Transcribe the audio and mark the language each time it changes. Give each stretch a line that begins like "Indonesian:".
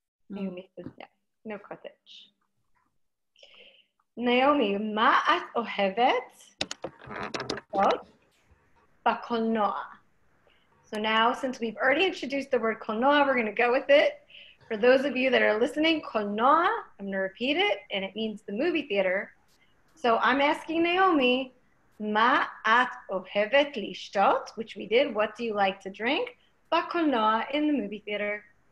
English: Naomi, no קוטג'.
Hebrew: Naomi, מה את אוהבת? Kolnoa.
English: So now, since we've already introduced the word kolnoa, we're going to go with it. For those of you that are listening, kolnoa, I'm going to repeat it, and it means the movie theater. So I'm asking Naomi,
Hebrew: ma at ohevet lishtot,
English: which we did, what do you like to drink,
Hebrew: ba kolnoa,
English: in the movie theater?